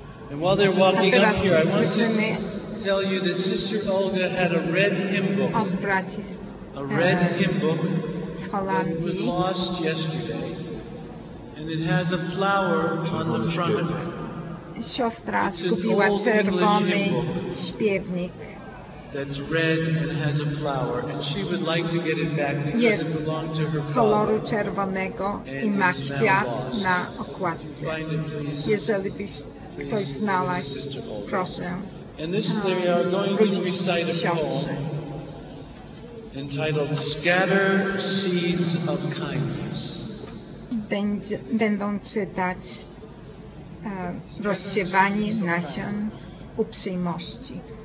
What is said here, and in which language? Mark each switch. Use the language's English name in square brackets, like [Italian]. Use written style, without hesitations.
[English] And while they're walking up here, I want to say, tell you that Sister Olga had a red hymn book. [Polish] Od braci z, [English] a red hymn book [Polish] z Holandii. [English] That was lost yesterday. And it has a flower on the front of it. [Polish] Siostra skupiła czerwony śpiewnik. [English] That's red and has a flower. And she would like to get it back because it belonged to her father. [Polish] Koloru czerwonego i ma kwiat na okładce. Jeżeli byś ktoś znalazł, proszę. [English] And this is where we are going to recite a poem entitled Scatter Seeds of Kindness. [Polish] Będą czytać rozsiewanie nasion uprzejmości.